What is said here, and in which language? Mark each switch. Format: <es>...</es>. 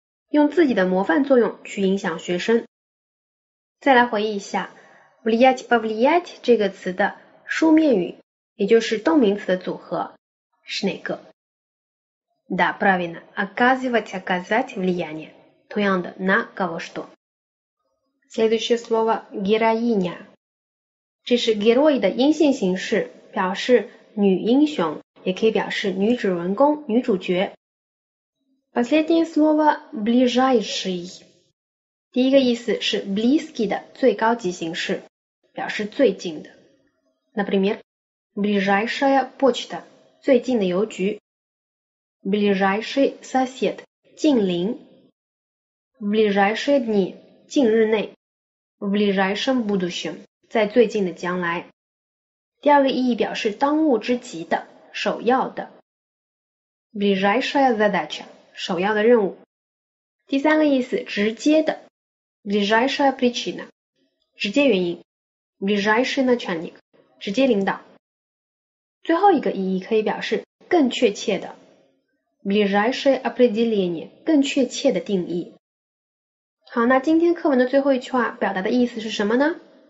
<zh>用自己的模范作用去影响学生再来回忆一下 влиять повлиять 这个词的书面语也就是动名词的组合是哪个</zh> <ru>да, правильно оказывать, оказать влияние</ru> <zh>同样的 на кого что следующее слово героиня 这是 герой 的阴性形式表示女英雄也可以表示女主人公、女主角。 Последнее слово ближайший 第一个意思是 близкий 的最高级形式，表示最近的。</zh> <ru>Например, ближайшая почта</ru> <zh>最近的邮局</zh> <ru>ближайший сосед 近邻 ближайшие дни 近日内 в ближайшем будущем</ru> <zh>在最近的将来。第二个意义表示当务之急的。首要的</zh> <ru>ближайшая задача</ru> <zh>首要的任务第三个意思直接的 ближайшая причина 直接原因 ближайший начальник 直接领导最后一个意义可以表示更确切的</zh> <ru>ближайшее определение</ru> <zh>更确切的定义好那今天课文的最后一句话表达的意思是什么呢</zh>